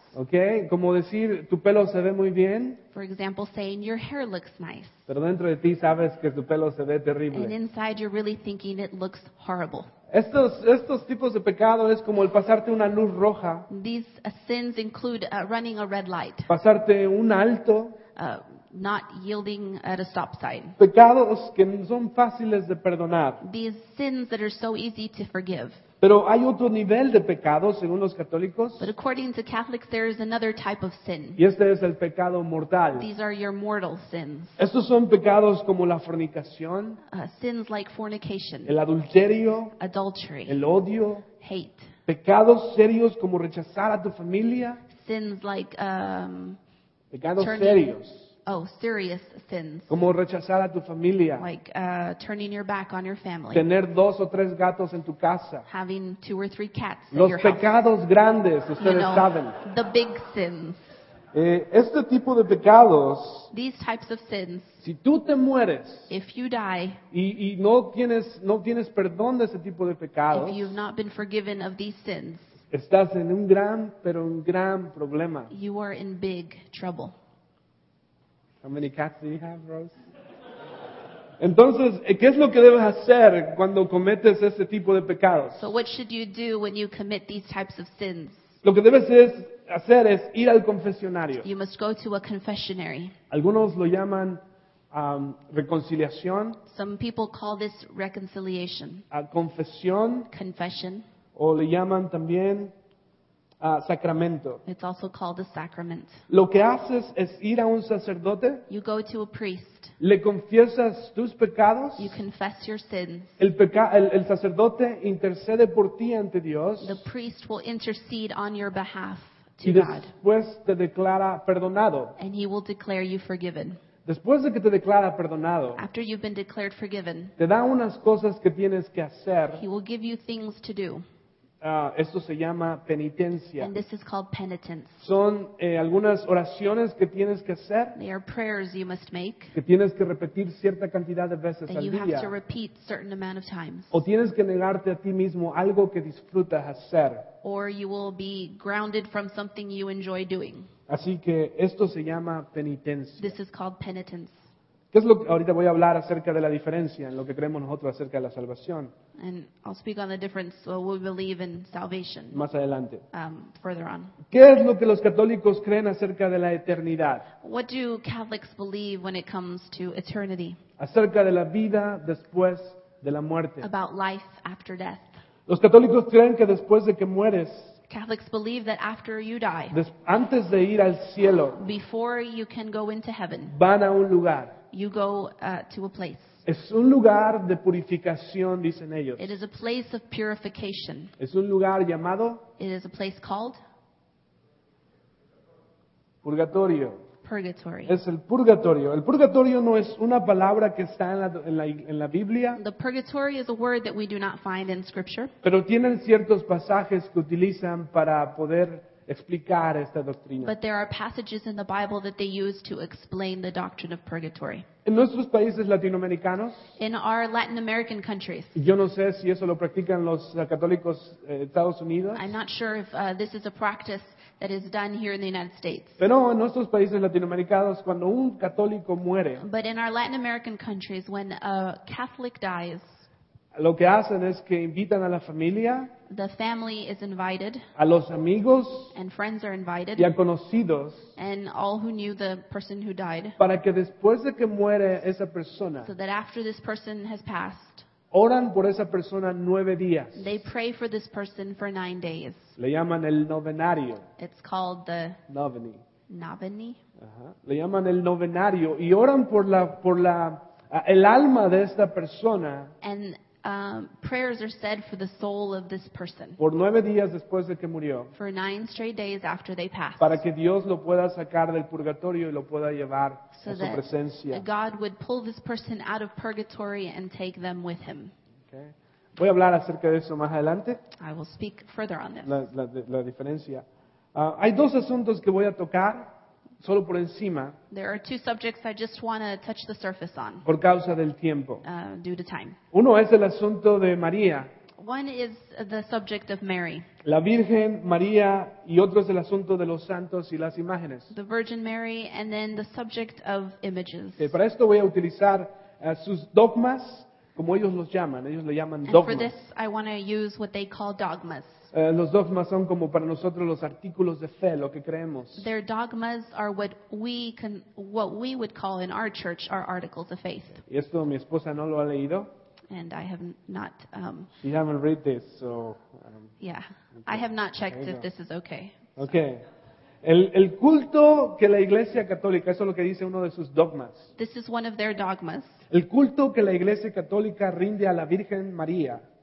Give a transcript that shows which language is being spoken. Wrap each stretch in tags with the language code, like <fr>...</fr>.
<es>Okay, como decir tu pelo se ve muy bien.</es> <en>For example, saying your hair looks nice.</en> <es>Pero dentro de ti sabes que tu pelo se ve terrible.</es> <en>And inside you're really thinking it looks horrible.</en> <es>Estos tipos de pecado es como el pasarte una luz roja.</es> <en>These sins include running a red light.</en> <es>Pasarte un alto.</es> <en>Not yielding at a stop sign.</en> <es>Pecados que son fáciles de perdonar.</es> <en>These sins that are so easy to forgive.</en> <es>Pero hay otro nivel de pecado según los católicos.</es> <en>But according to Catholics, there is another type of sin.</en> <es>Y este es el pecado mortal.</es> <en>These are your mortal sins.</en> <es>Estos son pecados como la fornicación.</es> <en>Sins like fornication.</en> <es>El adulterio.</es> <en>Adultery.</en> <es>El odio.</es> <en>Hate.</en> <es>Pecados serios como rechazar a tu familia.</es> <en>Sins like</en> <es>pecados serios.</es> <en>Oh, serious sins.</en> <es>Como rechazar a tu familia.</es> <en>Like turning your back on your family.</en> <es>Tener dos o tres gatos en tu casa.</es> <en>Having two or three cats in your pecados house.</en> <es>Grandes, ustedes</es> <en>you know,</en> <es>saben.</es> <en>The big sins.</en> <es>Este tipo de pecados.</es> <en>These types of sins.</en> <es>Si tú te mueres.</es> <en>If you die.</en> <es>Y no tienes perdón de ese tipo de pecados.</es> <en>If you've not been forgiven of these sins.</en> <es>Estás en un gran, pero un gran problema.</es> <en>You are in big trouble. How many cats do you have, Rose?</en> <es>Entonces, ¿qué es lo que debes hacer cuando cometes ese tipo de pecados?</es> <en>So what should you do when you commit these types of sins?</en> <es>Lo que debes hacer es ir al confesionario.</es> <en>You must go to a confessionary.</en> <es>Algunos lo llaman reconciliación.</es> <en>Some people call this reconciliation.</en> <es>A confesión.</es> <en>Confession.</en> <es>O le llaman también sacramento.</es> <en>It's also called a sacrament.</en> <es>Lo que haces es ir a un sacerdote.</es> <en>You go to a priest.</en> <es>Le confiesas tus pecados.</es> <en>You confess your sins.</en> <es>El sacerdote intercede por ti ante Dios.</es> <en>The priest will intercede on your behalf to</en> <es>God. Y después te declara perdonado.</es> <en>And he will declare you forgiven.</en> <es>Después de que te declara perdonado,</es> <en>after you've been declared forgiven,</en> <es>te da unas cosas que tienes que hacer.</es> <en>He will give you things to do.</en> <es>Esto se llama penitencia.</es> <en>And this is called penitence.</en> <es>Son algunas oraciones que tienes que hacer.</es> <en>They are prayers you must make.</en> <es>Que tienes que repetir cierta cantidad de veces al día.</es> <en>That you have to repeat certain amount of times.</en> <es>O tienes que negarte a ti mismo algo que disfrutas hacer.</es> <en>Or you will be grounded from something you enjoy doing.</en> <es>Así que esto se llama penitencia.</es> <en>This is called penitence.</en> <es>¿Qué es lo que ahorita voy a hablar acerca de la diferencia en lo que creemos nosotros acerca de la salvación?</es> <en>And I'll speak on the difference what we believe in salvation.</en> <es>Más adelante.</es> <en>Further on.</en> <es>¿Qué es lo que los católicos creen acerca de la eternidad?</es> <en>What do Catholics believe when it comes to eternity?</en> <es>Acerca de la vida después de la muerte.</es> <en>About life after death.</en> <es>Los católicos creen que después de que mueres.</es> <en>Catholics believe that after you die.</en> <es>Antes de ir al cielo.</es> <en>Before you can go into heaven.</en> <es>Van a un lugar.</es> <en>You go to a place.</en> <es>Es un lugar de purificación, dicen ellos.</es> <en>It is a place of purification.</en> <es>Es un lugar llamado.</es> <en>It is a place called.</en> <es>Purgatorio.</es> <en>Purgatory.</en> <es>Es el purgatorio. El purgatorio no es una palabra que está en la Biblia.</es> <en>The purgatory is a word that we do not find in Scripture.</en> <es>Pero tienen ciertos pasajes que utilizan para poder explicar esta doctrina.</es> <en>But there are passages in the Bible that they use to explain the doctrine of purgatory.</en> <es>En nuestros países latinoamericanos.</es> <en>In our Latin American countries.</en> <es>Yo no sé si eso lo practican los católicos Estados Unidos.</es> <en>I'm not sure if this is a practice that is done here in the United States.</en> <es>Pero en nuestros países latinoamericanos, cuando un católico muere.</es> <en>But in our Latin American countries, when a Catholic dies.</en> <es>Lo que hacen es que invitan a la familia.</es> <en>The family is invited.</en> <es>A los amigos.</es> <en>And friends are invited.</en> <es>Y a conocidos.</es> <en>And all who knew the person who died.</en> <es>Para que después de que muere esa persona.</es> <en>So that after this person has passed.</en> <es>Oran por esa persona 9 días.</es> <en>They pray for this person for 9 days.</en> <es>Le llaman el novenario.</es> <en>It's called the noveni. Noveni.</en> <es>Le llaman el novenario y oran por la el alma de esta persona.</es> <en>And prayers are said for the soul of this person.</en> <es>Por 9 días después de que murió.</es> <en>For 9 straight days after they passed.</en> <es>Para que Dios lo pueda sacar del purgatorio y lo pueda llevar</es> <en>so</en> <es>a su presencia.</es> <en>That God would pull this person out of purgatory and take them with him. Okay.</en> <es>Voy a hablar acerca de eso más adelante.</es> <en>I will speak further on this.</en> <es>La diferencia. Hay dos asuntos que voy a tocar. Solo por encima.</es> <en>There are two subjects I just want to touch the surface on.</en> <es>Por causa del tiempo.</es> <en>Due to time.</en> <es>Uno es el asunto de María.</es> <en>One is the subject of Mary.</en> <es>La Virgen María y otro es el asunto de los santos y las imágenes.</es> <en>The Virgin Mary and then the subject of images.</en> <es>Okay, para esto voy a utilizar sus dogmas, como ellos los llaman. Ellos le llaman dogmas.</es> <en>And for this, I want to use what they call dogmas.</en> <es>Los dogmas son como para nosotros los artículos de fe, lo que creemos.</es> <en>Their dogmas are what we would call in our church our articles of faith.</en> <es>Y esto mi esposa no lo ha leído.</es> <en>And I have not. You haven't read this, so. Yeah, okay. I have not checked if this is okay. Okay.</en> <es>El culto que la Iglesia Católica, eso es lo que dice uno de sus dogmas.</es> <en>This is one of their dogmas.</en> <es>El culto que la Iglesia Católica rinde a la Virgen María.</es>